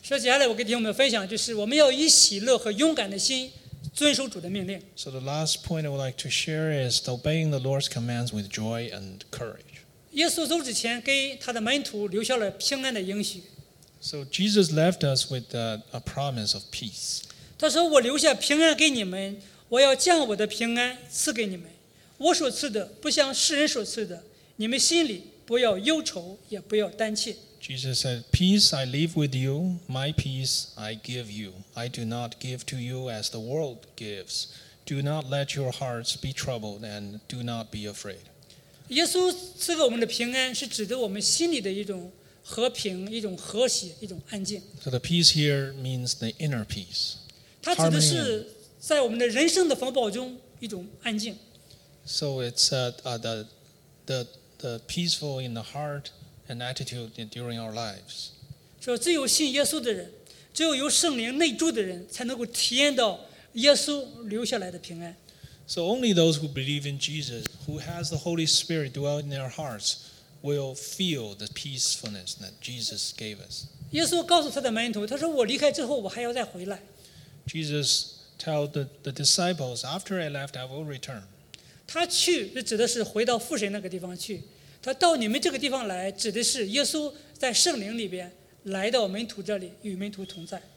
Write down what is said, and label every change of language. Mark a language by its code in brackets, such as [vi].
[zh] 所以接下来我跟弟兄们分享，就是我们要以喜乐和勇敢的心遵守主的命令。 [en] So the last point I would like to share is obeying the Lord's commands with joy and courage. [zh] 耶稣走之前给他的门徒留下了平安的应许。 [en] So Jesus left us with a promise of peace. [zh] 他说，我留下平安给你们，我要将我的平安赐给你们。我所赐的不像世人所赐的，你们心里不要忧愁，也不要担切。 [en] Jesus said, peace I leave with you, my peace I give you. I do not give to you as the world gives. Do not let your hearts be troubled and do not be afraid. [zh] 耶稣赐给我们的平安是指的我们心里的一种和平，一种和谐，一种安静。 [en] So the peace here means the inner peace. [zh] 它指的是在我们的人生的风暴中一种安静。 [en] So it's the peaceful in the heart and attitude during our lives. [zh] 说只有信耶稣的人，只有由圣灵内住的人，才能够体验到耶稣留下来的平安。 [en] So only those who believe in Jesus, who has the Holy Spirit dwell in their hearts. Will feel the peacefulness that Jesus gave us. [zh] 耶稣告诉他的门徒，他说：“我离开之后，我还要再回来。” [en] Jesus told the disciples, "After I left, I will return." [zh] 他去指的是回到父神那个地方去。他到你们这个地方来，指的是耶稣在圣灵里边来到门徒这里，与门徒同在。